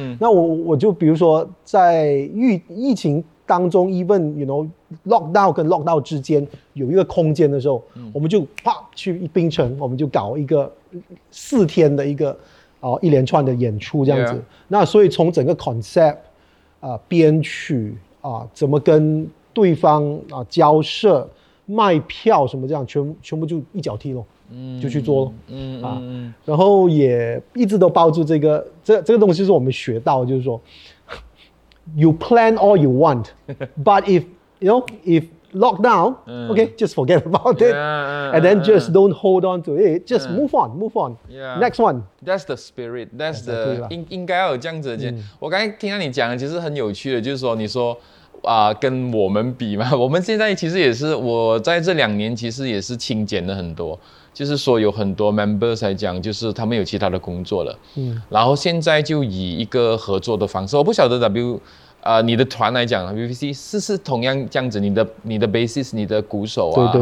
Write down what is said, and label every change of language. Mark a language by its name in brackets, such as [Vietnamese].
[Chinese] 那我就比如说在疫情当中 ， [English] even you know lockdown [Chinese] 跟 lockdown 之间有一个空间的时候，我们就啪去槟城，我们就搞一个4天的一个一连串的演出这样子。那所以从整个 concept 编曲。怎么跟对方交涉卖票什么这样全部就一脚踢咯，就去做咯。然后也一直都抱住这个这个东西是我们学到，就是说 [English] you plan all you want but if you know if lockdown okay just forget about it and then just don't hold on to it just move on next one that's the spirit that's the [Chinese] 应该要有这样子的。我刚才听到你讲的其实很有趣的，就是说你说跟我们比嘛，我们现在其实也是，我在这两年其实也是清减了很多，就是说有很多 members 来讲，就是他们有其他的工作了，然后现在就以一个合作的方式，我不晓得 你的团来讲 ，VVC 是同样这样子，你的 basis， 你的鼓手啊，